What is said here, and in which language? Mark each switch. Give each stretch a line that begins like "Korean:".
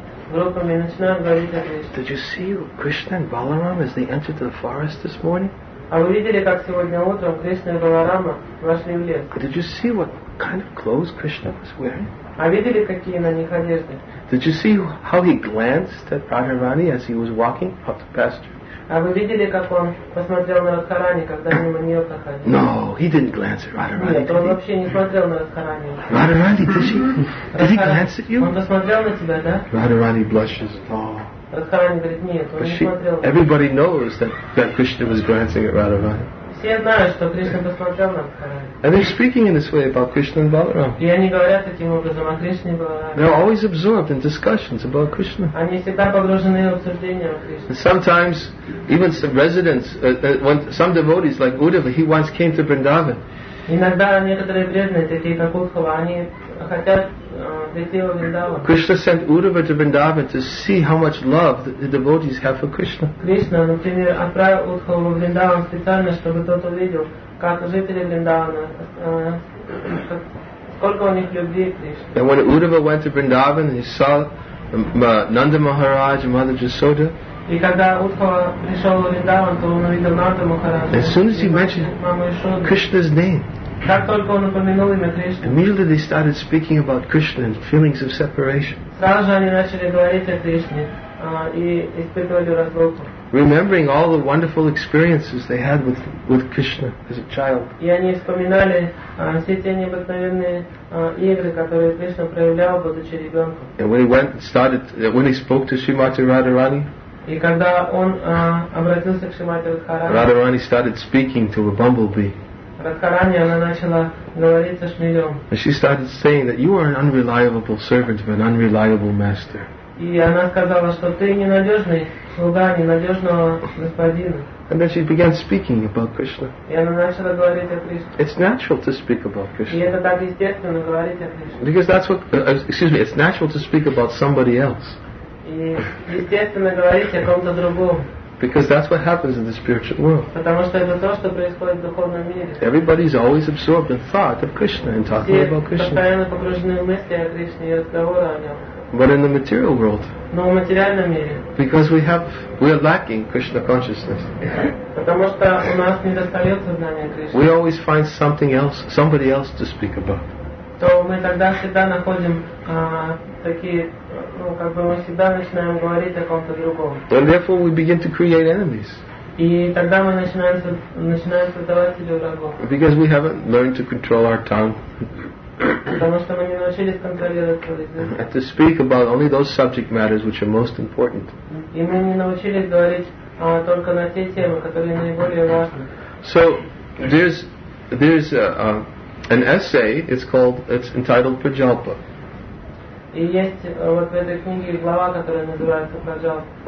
English: Did you see Krishna and Balaram as they entered the forest this morning?
Russian: А вы видели, как сегодня утром Кришна и Баларама вошли в лес?
English: Did you see what kind of clothes Krishna was wearing?
Russian: А видели, какие на них одежды?
English: Did you see how he glanced at Radharani as he was walking up the pasture?
Russian: А вы видели, как он посмотрел на Радхарани, когда мимо нее проходил?
English: No, he didn't glance at Radharani.
Russian: Нет, он вообще не смотрел на Радхарани.
English: Radharani, did he glance at you?
Russian: Он посмотрел на тебя, да?
English: Radharani blushes. Oh. But she, everybody knows that Krishna was glancing at Radharani. And they're speaking in this way about Krishna and Balaram. They're always absorbed in discussions about Krishna. And sometimes, even some residents, when some devotees like Uddhava, he once came to Vrindavan.
Russian: Иногда некоторые бредные, такие как Удхава, они хотят прийти в Вриндаван.
English: Krishna sent Uddhava to Vrindavan to see how much love the devotees have for Krishna.
Russian: Кришна, например, отправил Удхаву в Вриндаван специально, чтобы тот увидел, как жители Вриндавана, сколько у них любви к Кришне.
English: And when Uddhava went to Vrindavan and he saw Nanda Maharaj and Mother Jasoda,
Russian: и когда Удхава пришел в Вриндаван, то он увидел Нанда Махараджа.
English: As soon as he mentioned Krishna's name,
Russian: как только он упомянул имя Кришны,
English: immediately they started speaking about Krishna and feelings of separation.
Russian: Сразу же они начали говорить о Кришне
English: Remembering all the wonderful experiences they had with Krishna as a child.
Russian: И они вспоминали все те необыкновенные игры, которые Кришна проявлял, будучи ребенком.
English: And when he went and started, when he spoke to Srimati Radharani.
Russian: И когда он обратился к Шримати Радхарани.
English: Radharani started speaking to a bumblebee.
Russian: Радхарани она начала говорить со шмелем.
English: And she started saying that you are an unreliable servant of an unreliable master.
Russian: И она сказала, что ты ненадежный. Слуга ненадежного господина.
English: And then she began speaking about Krishna.
Russian: И она начала говорить о Кришне.
English: It's natural to speak about Krishna.
Russian: И это так естественно говорить о Кришне.
English: Because that's what, excuse me, it's natural to speak about somebody else.
Russian: И естественно говорить о ком-то другом.
English: Because that's what happens in the spiritual world.
Russian: Потому что это то, что происходит в духовном мире.
English: Everybody's always absorbed in thought of Krishna and talking
Russian: Все
English: about Krishna.
Russian: Все постоянно погружены в мысли о Кришне и разговоры о нем.
English: But in the material world,
Russian: Но в материальном мире,
English: because we are lacking Krishna consciousness.
Russian: Потому что у нас недостает сознания Кришны.
English: We always find something else, somebody else to speak about.
Russian: То мы тогда всегда находим такие, ну как бы мы всегда начинаем говорить о ком-то другом.
English: And therefore we begin to create enemies.
Russian: И тогда мы начинаем создавать себе врагов.
English: Because we haven't learned to control our tongue.
Russian: Потому что мы не научились контролировать язык.
English: To speak about only those subject matters which are most important.
Russian: И мы не научились говорить только на те темы, которые наиболее важны.
English: So there's an essay. It's entitled Prajalpa.
Russian: И есть вот в этой книге глава, которая называется Праджалпа.